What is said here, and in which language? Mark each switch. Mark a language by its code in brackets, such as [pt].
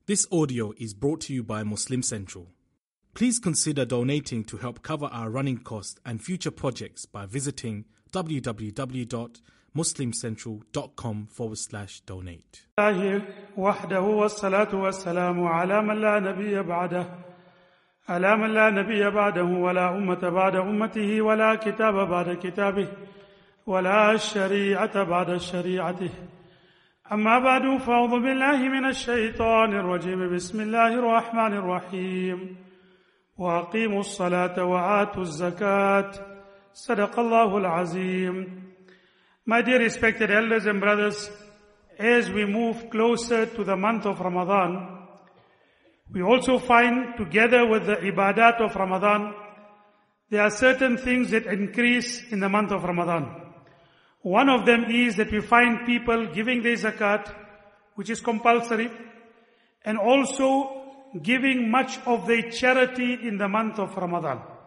[en] This audio is brought to you by Muslim Central. Please consider donating to help cover our running costs and future projects by visiting www.muslimcentral.com/donate. [ar] الله وحده والصلاة والسلام على من لا نبي بعده على من لا نبي بعده ولا أمة بعد أمته ولا كتاب بعد كتابه ولا شريعة بعد شريعته. أما بعد فأعوذ بالله من الشيطان الرجيم بسم الله الرحمن الرحيم وأقيموا الصلاة وآتوا الزكاة صدق الله العظيم. [en] My dear respected elders and brothers, as we move closer to the month of Ramadan, we also find together with the ibadat of Ramadan, there are certain things that increase in the month of Ramadan. One of them is that we find people giving their zakat, which is compulsory, and also giving much of their charity in the month of Ramadan.